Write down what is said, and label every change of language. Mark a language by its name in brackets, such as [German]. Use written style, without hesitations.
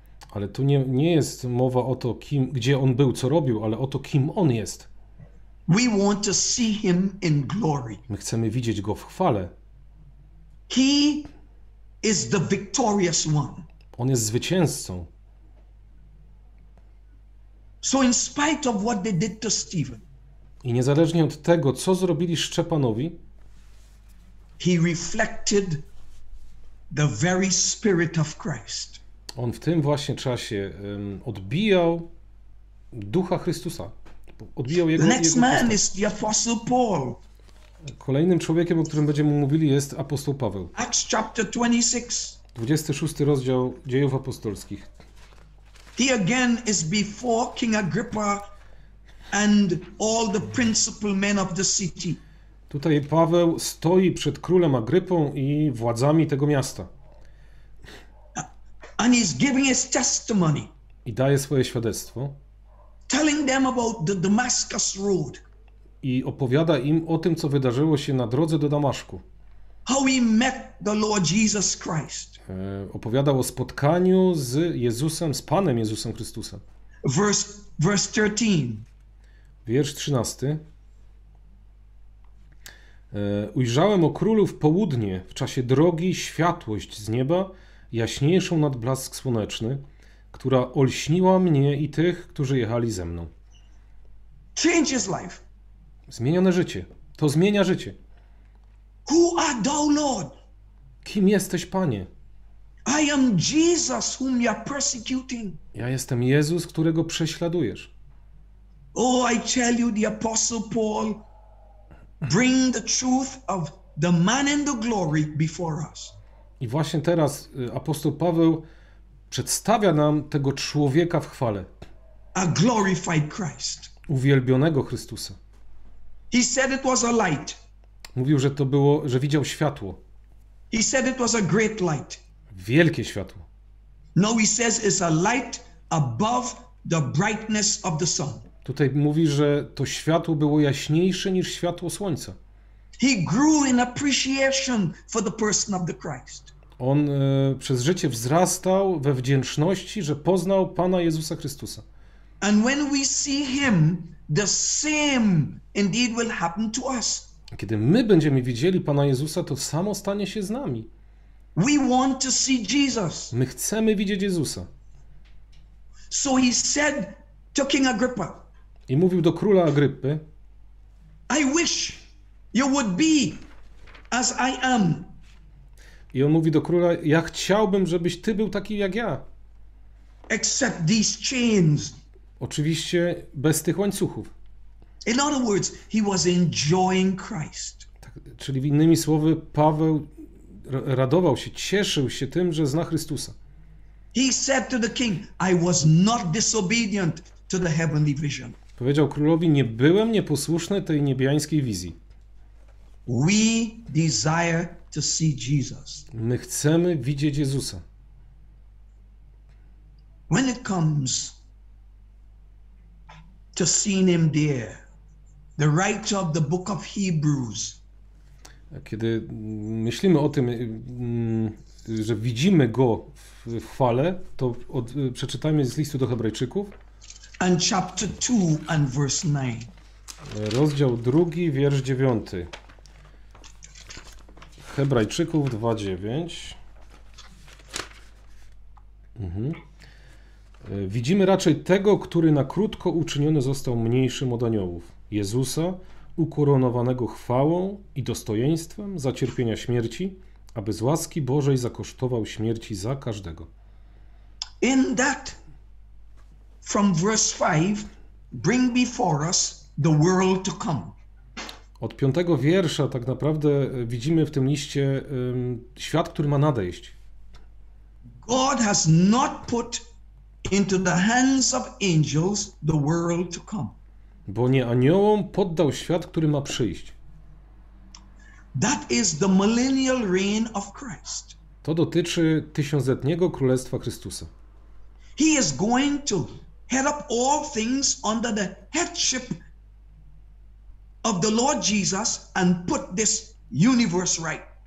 [Polish] Ale tu nie jest mowa o to, kim, gdzie on był, co robił, ale o to, kim on jest. [English] We want to see him in glory. [Polish] My chcemy widzieć go w chwale. [English] He is the victorious one. [Polish] On jest zwycięzcą. [English] So in spite of what they did to Stephen, [Polish] i niezależnie od tego, co zrobili Szczepanowi, [English] he reflected the very spirit of Christ. [Polish] On w tym właśnie czasie odbijał Ducha Chrystusa. Odbijał jego, [English] the next [Polish] jego [English] man is the Apostle Paul. [Polish] Kolejnym człowiekiem, o którym będziemy mówili, jest apostoł Paweł. [English] Acts chapter 26. [Polish] 26 rozdział Dziejów Apostolskich. [English] He again is before King Agrippa and all the principal men of the city. [Polish] Tutaj Paweł stoi przed królem Agrypą i władzami tego miasta. [English] And he's giving his testimony. [Polish] I daje swoje świadectwo. [English] Telling them about the Damascus road. [Polish] I opowiada im o tym, co wydarzyło się na drodze do Damaszku. [English] How he met the Lord Jesus Christ. [Polish] Opowiadał o spotkaniu z Jezusem, z Panem Jezusem Chrystusem. [English] Verse 13. [Polish] Wiersz 13. Ujrzałem o królu w południe, w czasie drogi, światłość z nieba, jaśniejszą nad blask słoneczny, która olśniła mnie i tych, którzy jechali ze mną. [English] Change his life. [Polish] Zmienione życie. To zmienia życie. [English] Who art thou, Lord? [Polish] Kim jesteś, Panie? [English] I am Jesus, whom you are persecuting. [Polish] Ja jestem Jezus, którego prześladujesz. [English] Oh, I tell you, the Apostle Paul bring the truth of the man in the glory before us. [Polish] I właśnie teraz apostoł Paweł przedstawia nam tego człowieka w chwale. [English] A glorified Christ. [Polish] Uwielbionego Chrystusa. [English] He said it was a light. [Polish] Mówił, że to było, że widział światło. [English] He said it was a great light. [Polish] Wielkie światło. [English] No, he says it's a light above the brightness of the sun. [Polish] Tutaj mówi, że to światło było jaśniejsze niż światło słońca. [English] He grew in appreciation for the person of the Christ. [Polish] On przez życie wzrastał we wdzięczności, że poznał Pana Jezusa Chrystusa. [English] And when we see him, the same indeed will happen to us. [Polish] Kiedy my będziemy widzieli Pana Jezusa, to samo stanie się z nami. [English] We want to see Jesus. [Polish] My chcemy widzieć Jezusa. [English] So he said to King Agrippa. [Polish] I mówił do króla Agrypy. [English] I wish you would be as I am. [Polish] I on mówi do króla, ja chciałbym, żebyś ty był taki jak ja. [English] Except these chains. [Polish] Oczywiście bez tych łańcuchów. [English] In other words, he was enjoying Christ. [Polish] Tak, czyli w innymi słowy, Paweł radował się, cieszył się tym, że zna Chrystusa. [English] He said to the king, I was not disobedient to the heavenly vision. [Polish] Powiedział królowi, nie byłem nieposłuszny tej niebiańskiej wizji. [English] We desire to see Jesus. [Polish] My chcemy widzieć Jezusa. [English] When it comes to seeing him there, the writer of the book of Hebrews. [Polish] Kiedy myślimy o tym, że widzimy go w chwale, to przeczytajmy z listu do Hebrajczyków. [English] And chapter 2 and verse 9. [Polish] Rozdział 2, wiersz 9. Hebrajczyków 2:9. Widzimy raczej tego, który na krótko uczyniony został mniejszym od aniołów, Jezusa, ukoronowanego chwałą i dostojeństwem za cierpienia śmierci, aby z łaski Bożej zakosztował śmierci za każdego. [English] In that, from verse 5, bring before us the world to come. [Polish] Od piątego wiersza tak naprawdę widzimy w tym liście świat, który ma nadejść. [English] God has not put into the hands of angels the world to come. [Polish] Bo nie aniołom poddał świat, który ma przyjść. [English] That is the millennial reign of Christ. [Polish] To dotyczy tysiącletniego królestwa Chrystusa. [English] He is going to head up all things under the headship of the Lord Jesus and put this universe right.